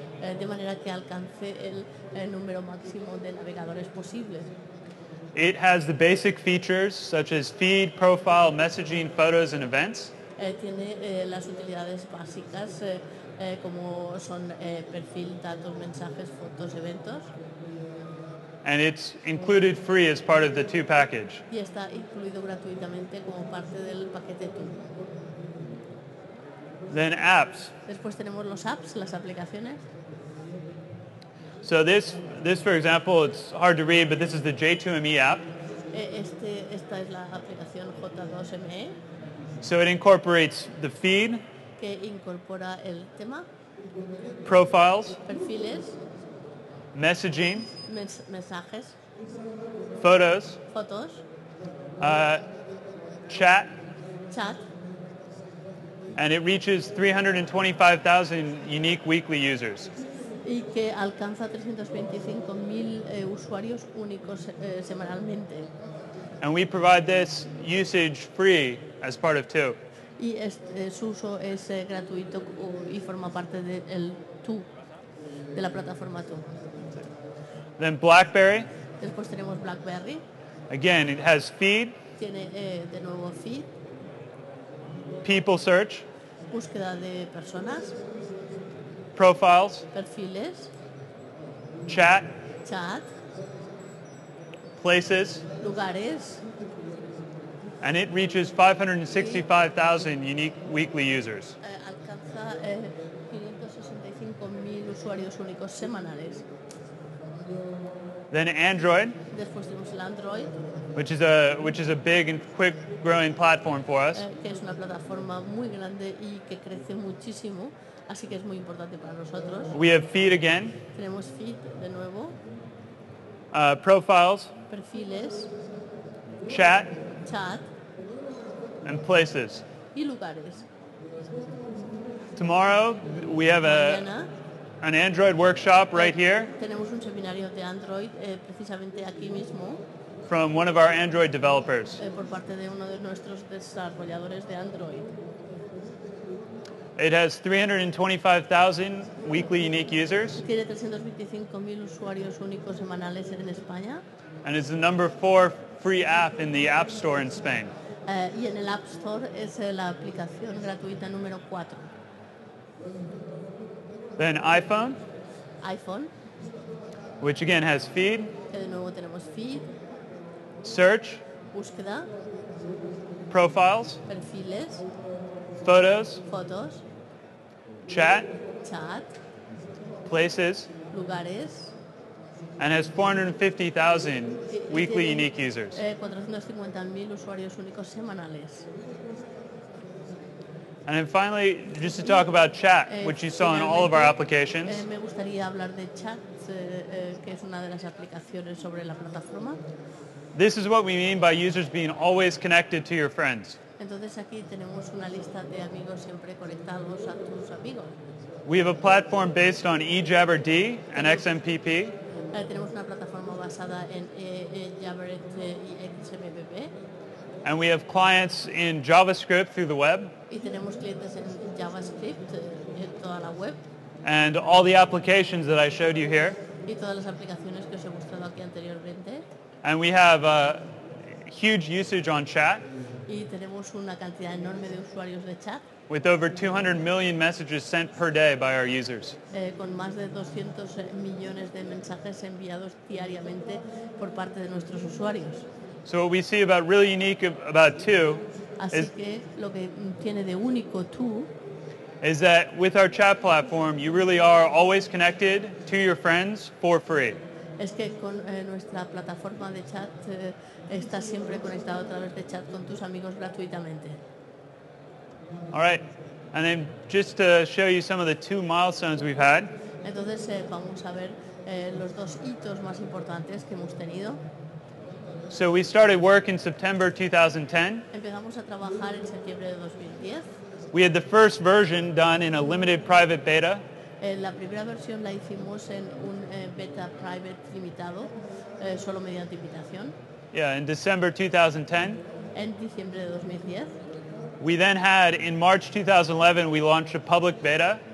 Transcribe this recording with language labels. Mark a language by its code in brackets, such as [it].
[es] De manera que alcance el número máximo de navegadores posible. [en] It has the basic features such as feed, profile, messaging, photos, and events. [es] Tiene las utilidades básicas como son perfil, datos, mensajes, fotos, eventos. [en] And it's included free as part of the 2 package. [es] Y está incluido gratuitamente como parte del paquete 2. [en] Then apps. [es] Después tenemos los apps, las aplicaciones. [en] So this for example, it's hard to read, but this is the J2ME app. [es] Esta es la aplicación J2ME. [en] So it incorporates the feed. [es] Que incorpora el tema. [en] Profiles. [es] Perfiles. [en] Messaging. [es] Mensajes. [en] Photos. [es] Fotos. [en] Chat. [es] Chat. [en] And it reaches 325,000 unique weekly users. [es] Y que alcanza 325,000 usuarios únicos semanalmente. [en] And we provide this usage free as part of 2. [es] Y su uso es gratuito y forma parte de la plataforma 2. [en] Then BlackBerry. [es] Después tenemos BlackBerry. [en] Again, it has feed. [es] Tiene de nuevo feed. [en] People search. [es] Búsqueda de personas. [en] Profiles. [es] Perfiles. [en] Chat. [es] Chat. [en] Places. [es] Lugares. [en] And it reaches 565,000 unique weekly users. [es] Alcanza 565,000 usuarios únicos semanales. [en] Then Android. [es] Después tenemos el Android. [en] Which is a big and quick growing platform for us. [es] Que es una plataforma muy grande y que crece muchísimo, así que es muy importante para nosotros. [en] We have feed again. [es] Tenemos feed de nuevo. [en] Profiles. [es] Perfiles. [en] Chat. [es] Chat. [en] And places. [es] Y lugares. [en] Tomorrow we have an Android workshop right here. [es] Tenemos un seminario de Android precisamente aquí mismo. [en] From one of our Android developers. [es] Por parte de uno de nuestros desarrolladores de Android. [en] It has 325,000 weekly unique users. [es] Tiene 325,000 usuarios únicos semanales en España. [en] And is the number 4 free app in the App Store in Spain. [es] Y en el App Store es la aplicación gratuita número 4. [en] Then iPhone. [es] iPhone. [en] Which again has feed. [es] Que de nuevo tenemos feed. [en] Search. [es] Búsqueda. [en] Profiles. [es] Perfiles. [en] Photos. [es] Fotos. [en] Chat. [es] Chat. [en] Places. [es] Lugares. [en] And has 450,000 weekly unique users. [es] 450,000 usuarios únicos semanales. [en] And then finally, just to talk about chat, which you saw in all of our applications. [es] Me gustaría hablar de chat, que es una de las aplicaciones sobre la plataforma. [en] This is what we mean by users being always connected to your friends. [es] Entonces aquí tenemos una lista de amigos siempre conectados a tus amigos. [en] We have a platform based on eJabberD and XMPP. [es] Tenemos una plataforma basada en Javascript y XMPP. [en] And we have clients in JavaScript through the web. [es] Y tenemos clientes en JavaScript en toda la web. [en] And all the applications that I showed you here. [es] Y todas las aplicaciones que os he mostrado aquí anteriormente. [en] And we have a huge usage on chat. [es] Y tenemos una cantidad enorme de usuarios de chat. [en] With over 200 million messages sent per day by our users. [es] Con más de 200 millones de mensajes enviados diariamente por parte de nuestros usuarios. [en] So what we see about really unique about Two. [es] Así que lo que tiene de único Two. [en] Is that with our chat platform, you really are always connected to your friends for free. [es] Es que con nuestra plataforma de chat estás siempre conectado a través de chat con tus amigos gratuitamente. [en] All right, and then just to show you some of the two milestones we've had. [es] Entonces vamos a ver los dos hitos más importantes que hemos tenido. [en] So we started work in September 2010. [es] Empezamos a trabajar en septiembre de 2010. [en] We had the first version done in a limited private beta. [es] La primera versión la hicimos en un beta private limitado, solo mediante invitación. [en] Yeah, in December 2010. [es] En diciembre de 2010. [en] We then had, in March 2011, we launched a public beta.